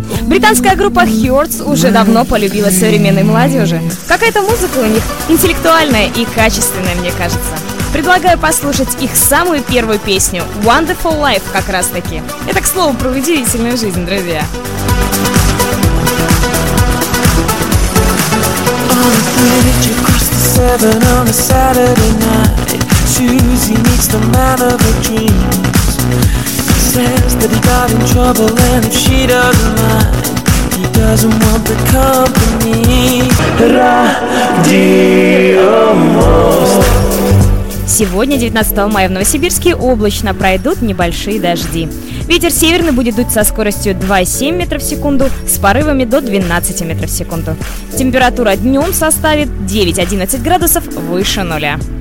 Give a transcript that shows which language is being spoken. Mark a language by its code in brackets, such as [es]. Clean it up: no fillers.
[ru] Британская группа Hurts уже давно полюбила современной молодежи. Какая-то музыка у них интеллектуальная и качественная, мне кажется. Предлагаю послушать их самую первую песню «Wonderful Life» как раз-таки. Это, к слову, про удивительную жизнь, друзья. [en] on a bridge across the seven on a Saturday night. Susie meets the man of her dreams. He says that he got in trouble and if she doesn't mind, he doesn't want the company. Radio Most. [ru] Сегодня, 19 мая, в Новосибирске облачно, пройдут небольшие дожди. Ветер северный будет дуть со скоростью 2,7 метров в секунду, с порывами до 12 метров в секунду. Температура днем составит 9-11 градусов выше нуля.